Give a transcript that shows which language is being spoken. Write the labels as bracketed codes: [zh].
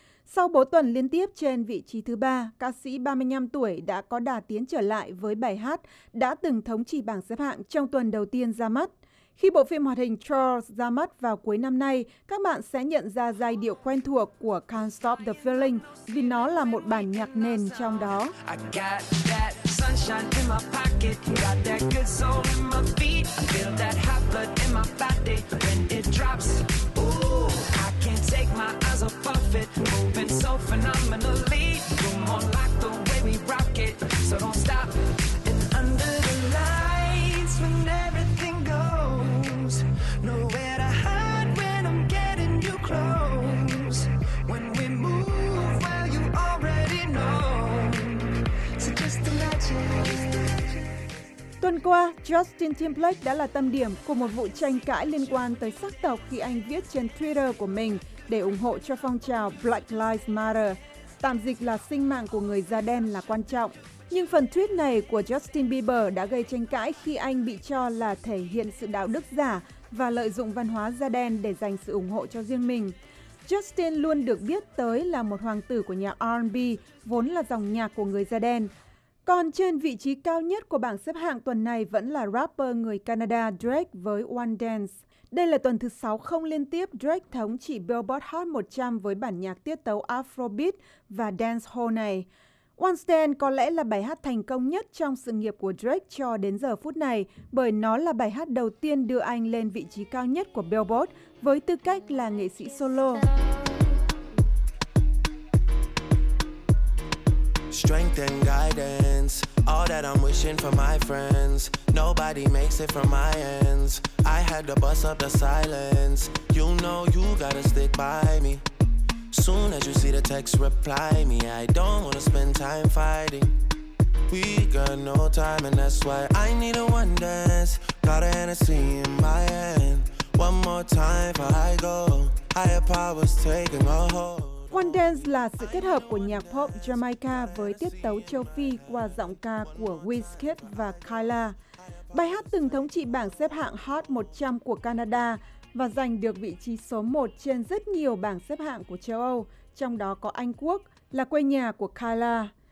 [vi] Sau 4 tuần liên tiếp trên vị trí thứ 3, ca sĩ 35 tuổi đã có đà tiến trở lại với bài hát đã từng thống trị bảng xếp hạng trong tuần đầu tiên ra mắt. Khi bộ phim hoạt hình Charles ra mắt vào cuối năm nay, các bạn sẽ nhận ra giai điệu quen thuộc của Can't Stop the Feeling vì nó là một bản nhạc nền trong đó. [en] Sunshine in my pocket, got that good soul in my feet. I feel that hot blood in my body when it drops. Ooh, I can't take my eyes off of it, moving so phenomenally. Come on, like the way we rock it, so don't stop. And under the lights, when everything goes, nowhere to hide when I'm getting you close. When we move, well, you already know. So just imagine. [vi] Tuần qua, Justin Timberlake đã là tâm điểm của một vụ tranh cãi liên quan tới sắc tộc khi anh viết trên Twitter của mình để ủng hộ cho phong trào Black Lives Matter, tạm dịch là sinh mạng của người da đen là quan trọng. Nhưng phần tweet này của Justin Bieber đã gây tranh cãi khi anh bị cho là thể hiện sự đạo đức giả và lợi dụng văn hóa da đen để dành sự ủng hộ cho riêng mình. Justin luôn được biết tới là một hoàng tử của nhạc R&B, vốn là dòng nhạc của người da đen. Còn trên vị trí cao nhất của bảng xếp hạng tuần này vẫn là rapper người Canada Drake với One Dance. Đây là tuần thứ 6 không liên tiếp Drake thống trị Billboard Hot 100 với bản nhạc tiết tấu Afrobeat và Dancehall này. One Dance có lẽ là bài hát thành công nhất trong sự nghiệp của Drake cho đến giờ phút này bởi nó là bài hát đầu tiên đưa anh lên vị trí cao nhất của Billboard với tư cách là nghệ sĩ solo. [en] Strength and guidance, all that I'm wishing for my friends. Nobody makes it from my ends. I had to bust up the silence. You know you gotta stick by me. Soon as you see the text, reply me. I don't wanna spend time fighting. We got no time and that's why I need a one dance. Got a Hennessy in my hand. One more time before I go. Higher powers taking a hold. [vi] One Dance là sự kết hợp của nhạc pop Jamaica với tiết tấu châu Phi qua giọng ca của Wizkid và Kyla. Bài hát từng thống trị bảng xếp hạng Hot 100 của Canada và giành được vị trí số 1 trên rất nhiều bảng xếp hạng của châu Âu, trong đó có Anh Quốc, là quê nhà của Kyla.